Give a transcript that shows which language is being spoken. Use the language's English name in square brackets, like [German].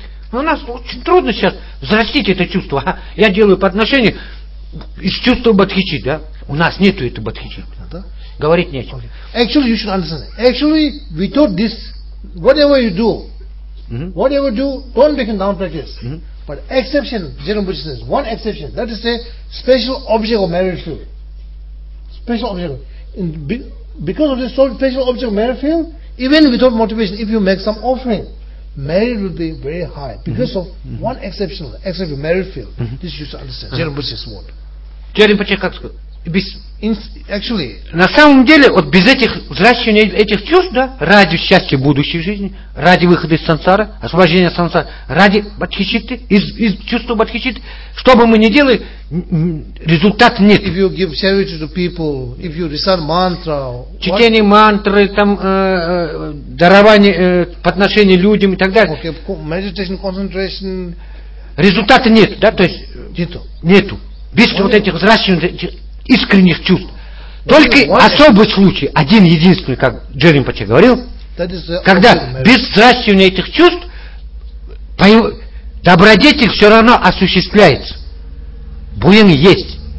[Russian] Но у нас очень трудно сейчас взрастить это чувство. Ага, я делаю подношение из чувства бодхичи, да? У нас нету этого бодхичи. Говорить нечего. [English] Okay. Actually, you should understand. Actually, without this, whatever you do, mm-hmm. whatever you do, don't become down practice. Mm-hmm. But exception, Jerome Buddha says, one exception, that is a special object of merit field. Special object. Because of this special object of merit field, even without motivation, if you make some offering, merit will be very high because mm-hmm. of one exceptional, exceptional merit field. Mm-hmm. This you should understand. Jerome Buddha's word. [Russian] Jerome Buddha, как сказал? [English] Actually, [Russian] на самом деле, вот без этих взращивания этих чувств, да, ради счастья будущей жизни, ради выхода из сансары, освобождения сансары, ради бодхичитты, из чувства бодхичитты, что бы мы ни делали, результата нет. [English] If you give charity to people, if you recite mantra, [Russian] чтение мантры, там, дарование, подношение людям и так далее. [English] Okay, meditation, concentration. [Russian] Результата нет, да, то есть нету. Без вот этих взращиваний искренних чувств. Только особый случай, один единственный, как Джерин Паче говорил, когда без взращивания этих чувств добродетель все равно осуществляется. Буин есть.